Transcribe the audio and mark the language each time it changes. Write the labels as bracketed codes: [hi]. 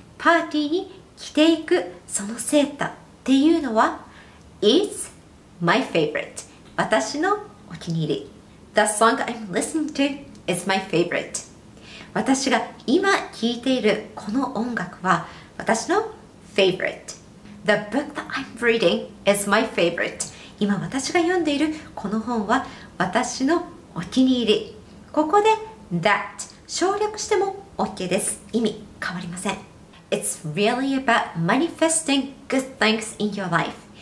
[ja] パーティーに着ていくそのセーターっていうのは [en] is my favorite. [ja] 私のお気に入り。 [en] The song I'm listening to is my favorite。 [ja] 私が今聴いているこの音楽は私の favorite。 [en] The book that I'm reading is my favorite。 [ja] 今私が読んでいるこの本は私のお気に入り。ここで that 省略しても OK です。意味変わりません。 [en] It's really about manifesting good things in your life。